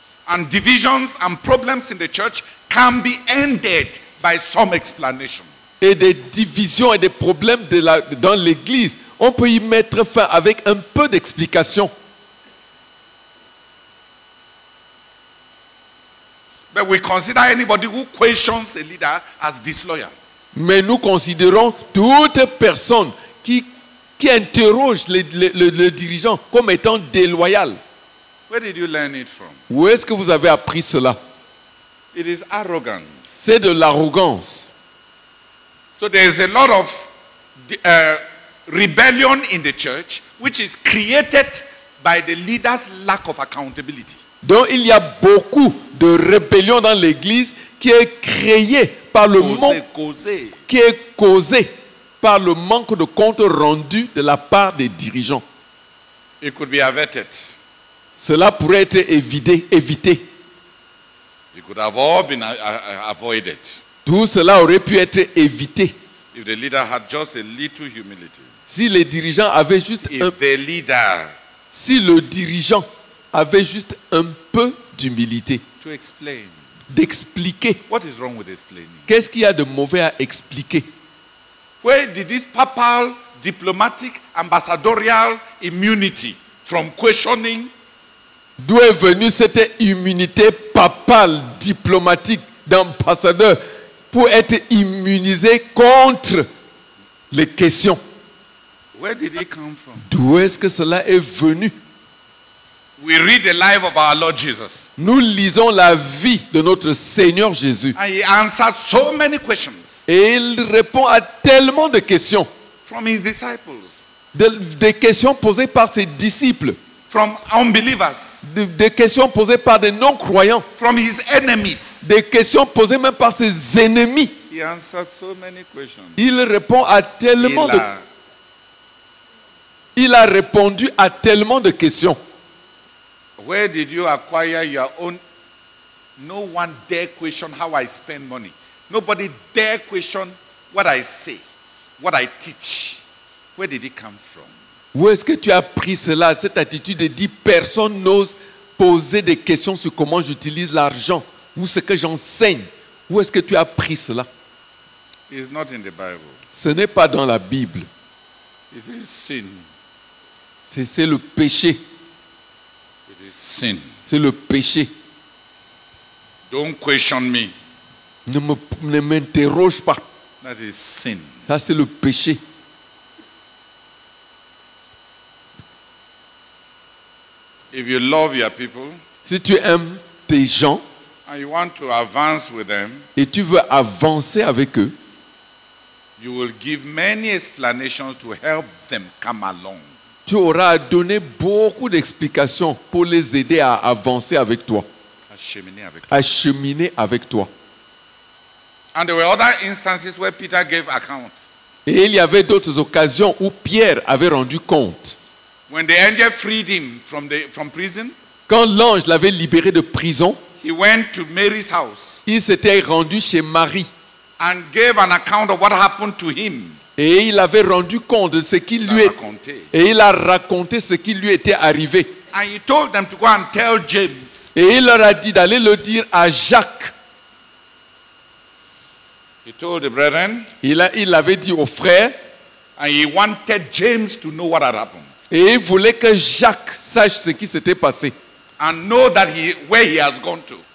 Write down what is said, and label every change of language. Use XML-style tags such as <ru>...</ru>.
<en>And divisions and problems in the church can be ended by some explanation.</en> <fr>Et des divisions et des problèmes dans l'église, on peut y mettre fin avec un peu d'explication.</fr> <en>But we consider anybody who questions a leader as disloyal.</en> <fr>Mais nous considérons toute personne qui interroge le dirigeant comme étant déloyal.</fr> <en>Where did you learn it from?</en> <fr>Où est-ce que vous avez appris cela?</fr> <en>It is arrogance.</en> <fr>C'est de l'arrogance.</fr> <en>So there is a lot of rebellion in the church, which is created by the leader's lack of accountability.</en> <fr>Donc il y a beaucoup de rébellion dans l'église qui est créée par le manque de compte rendu de la part des dirigeants.</fr> <en>It could be averted.</en> <fr>Cela pourrait être évité.</fr> <en>It could have all been avoided.</en> <fr>Tout cela aurait pu être évité.</fr> <en>If the leader had just a little humility.</en> <fr>Si les dirigeants avaient juste un peu d'humilité.</fr> <en>To explain.</en> <fr>D'expliquer.</fr> <en>What is wrong with explaining?</en> <fr>Qu'est-ce qu'il y a de mauvais à expliquer?</fr> <en>Where did this papal diplomatic ambassadorial immunity from questioning?</en> <fr>D'où est venue cette immunité papale, diplomatique, d'ambassadeur pour être immunisé contre les questions?</fr> <en>Where did it come from?</en> <fr>D'où est-ce que cela est venu?</fr> <en>We read the life of our Lord Jesus.</en> <fr>Nous lisons la vie de notre Seigneur Jésus.</fr> <en>And he answered so many questions.</en> <fr>Et il répond à tellement de questions.</fr> <en>from his disciples.</en> <fr>Des questions posées par ses disciples.</fr> <en>From unbelievers.</en> <fr>Des questions posées par des non-croyants.</fr> <en>From his enemies.</en> <fr>Des questions posées même par ses ennemis.</fr> <en>He answered so many questions.</en> <fr>Il répond à tellement de. Il a répondu à tellement de questions.</fr> <en>Where did you acquire your own? No one dare question how I spend money. Nobody dare question what I say, what I teach. Where did it come from?</en> <fr>Où est-ce que tu as pris cela? Cette attitude de dire personne n'ose poser des questions sur comment j'utilise l'argent ou ce que j'enseigne. Où est-ce que tu as pris cela?</fr> <en>It's not in the Bible.</en> <fr>Ce n'est pas dans la Bible.</fr> <en>It is sin.</en> <fr>C'est le péché.</fr> <en>It is sin.</en> <fr>C'est le péché.</fr> <en>Don't question me.</en> <fr>Ne m'interroge pas.</fr> <en>That is sin.</en> <fr>Ça, c'est le péché.</fr> <en>If you love your people,</en> <fr>si tu aimes tes gens,</fr> <en>and you want to advance with them,</en> <fr>et tu veux avancer avec eux,</fr> <en>you will give many explanations to help them come along.</en> <fr>Tu auras à donner beaucoup d'explications pour les aider à avancer avec toi, à cheminer avec toi.</fr> <en>And there were other instances where Peter gave account.</en> <fr>Et il y avait d'autres occasions où Pierre avait rendu compte.</fr> <en>When the angel freed him from prison,</en> <fr>quand l'ange l'avait libéré de prison,</fr> <en>he went to Mary's house.</en> <fr>Il s'était rendu chez Marie.</fr> <en>And gave an account of what happened to him.</en> <fr>Et il avait rendu compte de ce qui lui est. Et il a raconté ce qui lui était arrivé.</fr> <en>And he told them to go and tell James.</en> <fr>Et il leur a dit d'aller le dire à Jacques.</fr> <en>He told the brethren.</en> <fr>Il avait dit aux frères.</fr> <en>And he wanted James to know what had happened.</en> <fr>Et il voulait que Jacques sache ce qui s'était passé.</fr> <en>And know that where he has gone to.</en>